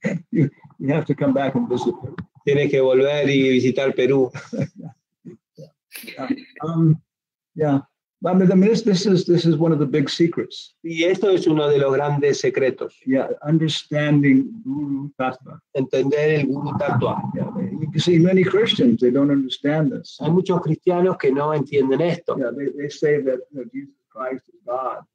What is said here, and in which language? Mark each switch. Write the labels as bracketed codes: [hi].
[en] You have to come back and visit Peru. [es] Tienes que volver y visitar Perú. [en] Yeah. I mean, this is one of the big secrets. [es] Y esto es uno de los grandes secretos. [en] Yeah, understanding Guru Tattva. [es] Entender el Guru Tattva. [en] Yeah, you see, many Christians, they don't understand this. [es] Hay muchos cristianos que no entienden esto. [en] Yeah, they say that, you know, Jesus Christ is God.